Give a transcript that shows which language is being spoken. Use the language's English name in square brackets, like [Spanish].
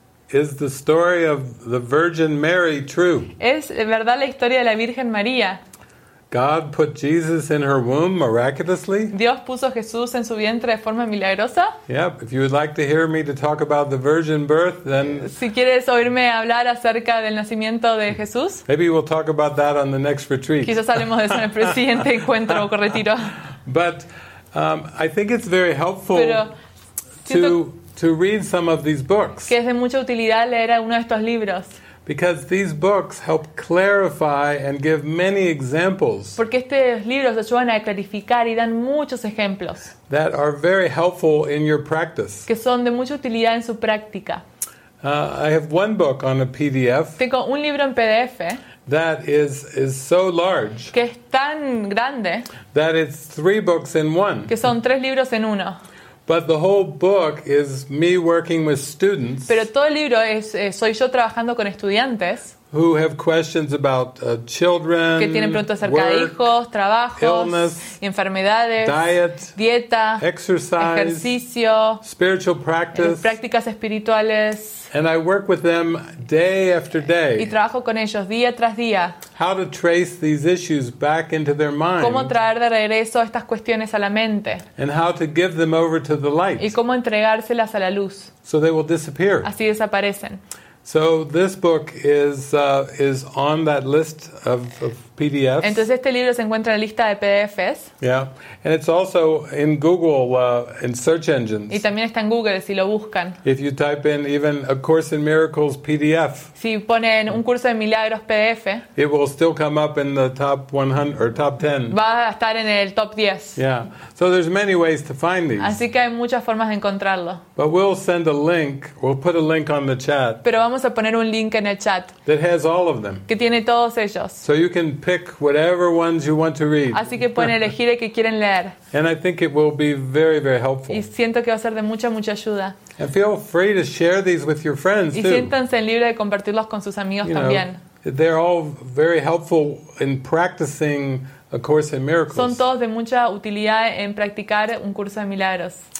[English] Is the story of the Virgin Mary true? [Spanish] ¿Es verdad la historia de la Virgen María? [English] God put Jesus in her womb miraculously. [Spanish] Dios puso a Jesús en su vientre de forma milagrosa. [English] Yeah, if you would like to hear me to talk about the virgin birth, then. [Spanish] Si quieres oírme hablar acerca del nacimiento de Jesús. [English] Maybe we'll talk about that on the next retreat. [Spanish] Quizás hablemos de eso en el siguiente encuentro o retiro. [English] But I think it's very helpful to read some of these books. [Spanish] Que es de mucha utilidad leer alguno de estos libros. [English] Because these books help clarify and give many examples. [Spanish] Porque estos libros ayudan a clarificar y dan muchos ejemplos. [English] That are very helpful in your practice. [Spanish] Que son de mucha utilidad en su práctica. [English] I have one book on a PDF. [Spanish] Tengo un libro en PDF. [English] That is so large. [Spanish] Que es tan grande. [English] That it's three books in one. [Spanish] Que son tres libros en uno. [English] But the whole book is me working with students. [Spanish] Pero todo el libro es soy yo trabajando con estudiantes. [English] Who have questions about children? [Spanish] Que tienen preguntas acerca de hijos, trabajos, [English] illness, [Spanish] enfermedades, [English] diet, [Spanish] dieta, [English] exercise, [Spanish] ejercicio, [English] spiritual practice, [Spanish] prácticas espirituales. [English] And I work with them day after day. [Spanish] Y trabajo con ellos día tras día. [English] How to trace these issues back into their mind. [Spanish] Cómo traer de regreso estas cuestiones a la mente. [English] And how to give them over to the light. [Spanish] Y cómo entregárselas a la luz. [English] So they will disappear. [Spanish] Así desaparecen. [English] So this book is on that list of PDFs. [Spanish] Entonces este libro se encuentra en la lista de PDFs. [English] Yeah, and it's also in Google in search engines. [Spanish] Y también está en Google si lo buscan. [English] If you type in even a Course in Miracles PDF. [Spanish] Si ponen un curso de milagros PDF. [English] It will still come up in the top 100 or top 10. [Spanish] Va a estar en el top 10. [English] Yeah, so there's many ways to find these. [Spanish] Así que hay muchas formas de encontrarlo. [English] But we'll send a link. We'll put a link on the chat. [Spanish] Pero vamos a poner un link en el chat. [English] That has all of them. [Spanish] Que tiene todos ellos. [English] So you can pick whatever ones you want to read. [Spanish] Así que pueden elegir el que quieren leer. [English] And I think it will be very, very helpful. [Spanish] Y siento que va a ser de mucha, mucha ayuda. [English] And feel free to share these with your friends too. [Spanish] Y siéntanse libre de compartirlos con sus amigos también. [English] They're all very helpful in practicing A Course in Miracles. [Spanish] Son todos de mucha utilidad en practicar un curso de milagros.